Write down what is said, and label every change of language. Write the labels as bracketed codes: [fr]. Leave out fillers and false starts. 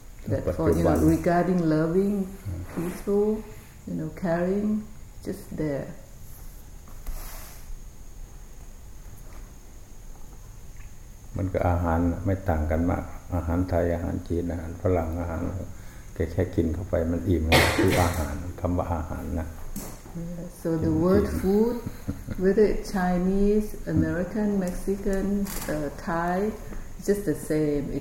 [en] That for, you know, regarding loving, peaceful, you know, caring, just there. [th] มันก็อาหารไม่ต่างกันมากอาหารไทยอาหารจีนอาหารฝรั่งอาหารแค่กินเข้าไปมันอิ่มคืออาหารคำว่าอาหารนะ [en] Yeah. So the word food, whether it's Chinese, American, Mexican, Thai, it's just the same.